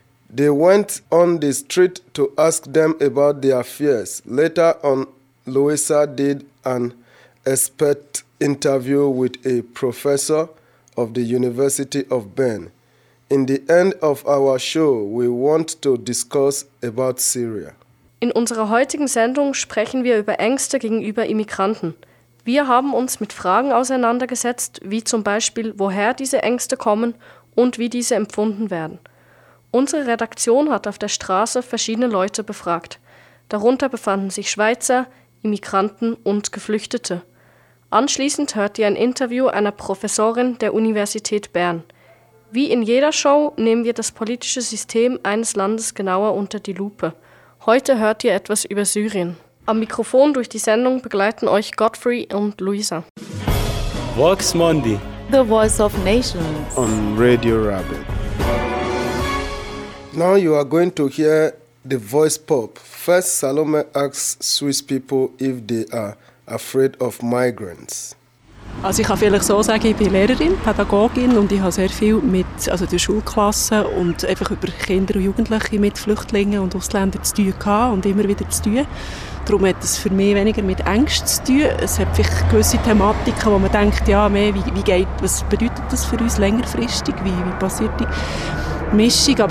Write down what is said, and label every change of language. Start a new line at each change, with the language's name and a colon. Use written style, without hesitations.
English: They went on the street to ask them about their fears. Later on, Louisa did an expert interview with a professor of the University of Bern. In the end of our show, we want to discuss about Syria.
German: In unserer heutigen Sendung sprechen wir über Ängste gegenüber Immigranten. Wir haben uns mit Fragen auseinandergesetzt, wie zum Beispiel, woher diese Ängste kommen und wie diese empfunden werden. Unsere Redaktion hat auf der Straße verschiedene Leute befragt. Darunter befanden sich Schweizer, Immigranten und Geflüchtete. Anschließend hört ihr ein Interview einer Professorin der Universität Bern. Wie in jeder Show nehmen wir das politische System eines Landes genauer unter die Lupe. Heute hört ihr etwas über Syrien. Am Mikrofon durch die Sendung begleiten euch Godfrey und Luisa.
Latin: Vox Mundi.
English: The Voice of Nations. On Radio Rabbit. Now you are going to hear the voice pop. First, Salome asks Swiss people if they are afraid of migrants.
German: Also ich kann vielleicht so sagen, ich bin Lehrerin, Pädagogin und ich habe sehr viel mit also der Schulklasse und einfach über Kinder und Jugendliche mit Flüchtlingen und Ausländern zu tun gehabt und immer wieder zu tun. Darum hat es für mich weniger mit Ängsten zu tun. Es hat vielleicht gewisse Thematiken, wo man denkt, ja, was bedeutet das für uns längerfristig, wie passiert die Mischung.